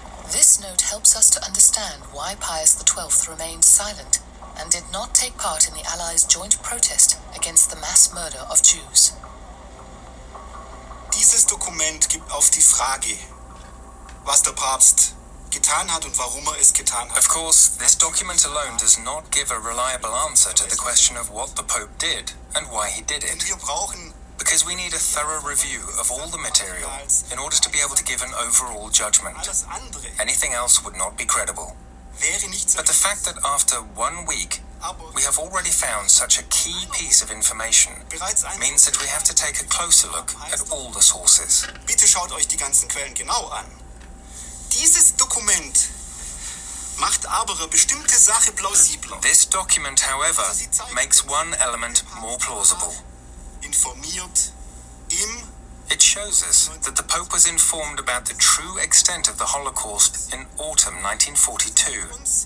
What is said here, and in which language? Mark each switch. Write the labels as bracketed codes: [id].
[en] This note helps us to understand why Pius XII remained silent and did not take part in the Allies' joint protest against the mass murder of Jews. [de] Dieses Dokument gibt auf die Frage, was der Papst getan hat und warum es getan hat. [en] Of course, this document alone does not give a reliable answer to the question of what the Pope did and why he did it. Because we need a thorough review of all the material in order to be able to give an overall judgment. Anything else would not be credible. But the fact that after 1 week we have already found such a key piece of information means that we have to take a closer look at all the sources. [de] Bitte schaut euch die ganzen Quellen genau an. Dieses Dokument macht aber eine bestimmte Sache plausibler. [en] This document, however, makes one element more plausible. [de] Informiert im [en] It shows us that the Pope was informed about the true extent of the Holocaust in autumn 1942.